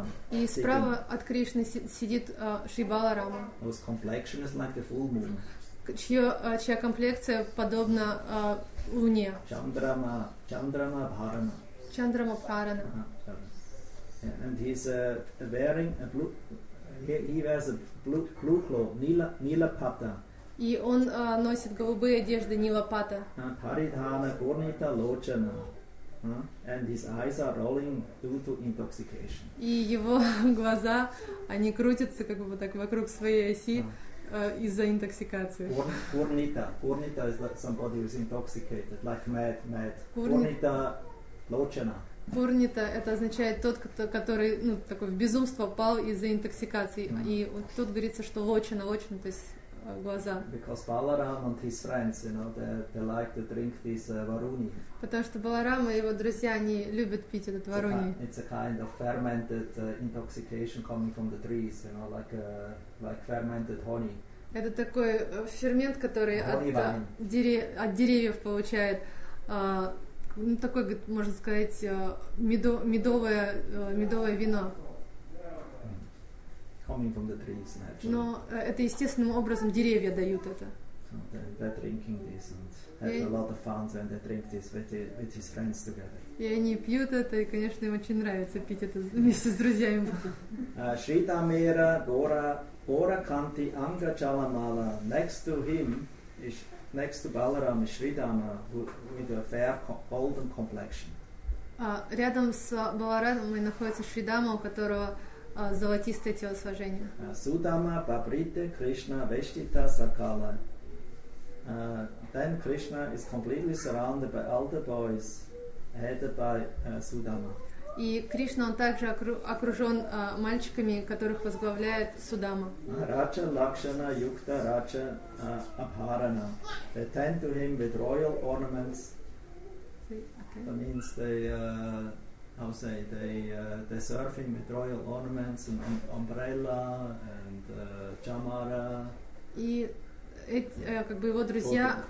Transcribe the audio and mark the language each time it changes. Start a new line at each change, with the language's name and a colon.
Russian: И справа от Кришны сидит Шибаларама.
English: His complexion is like the full moon.
Russian: Чья комплекция подобна луне.
Sanskrit: Чандрама, Чандрама Бхарана. Чандрама Бхарана.
English: And he's wearing a blue. He wears a blue cloak, nilapata.
Russian: И он носит голубые одежды нилапата.
Sanskrit: Паридхана Гурнита Лочана.
English: And his eyes are rolling due to intoxication.
Russian: И его глаза, они крутятся как бы так вокруг своей оси из-за интоксикации.
English: Курнита is like somebody who's intoxicated, like mad.
Sanskrit: Курнита лочана.
Russian: Курнита это означает тот, который ну такой в безумство упал из-за интоксикации. И вот тут говорится, что лочана, то есть глаза.
English: Because Balaram and his friends, you know, they like to drink this varuni.
Russian: Потому что Баларама и его друзья, они любят пить этот варуни.
English: It's a kind of fermented intoxication coming from the trees, you know, like fermented honey.
Russian: Это такой фермент, который от деревьев получает, ну такой, можно сказать, медовое вино.
English: Coming from the trees, naturally.
Russian: Но это естественным образом деревья дают это.
English: They're drinking this and have a lot of fun when they drink this with his friends together.
Russian: И они пьют это, и, конечно, им очень нравится пить это вместе с друзьями.
Sanskrit: Шритамира Гора Канти Анга Чаламала.
English: Next to Balaram is Шридама with a fair golden complexion.
Russian: Рядом с Баларамой находится Шридама, у которого золотистое телосложение.
Sanskrit: Судама Бабрите Кришна Вештита Сакала.
English: Then Krishna is completely surrounded by all the boys, headed by Sudama.
Russian: И Кришна, он также окружен мальчиками, которых возглавляет Судама.
Sanskrit: Рача Лакшана Юкта Рача Абхарана.
English: They tend to him with royal ornaments. Okay. That means they serve him with royal ornaments and umbrella and chamara.
Russian: И как бы его друзья,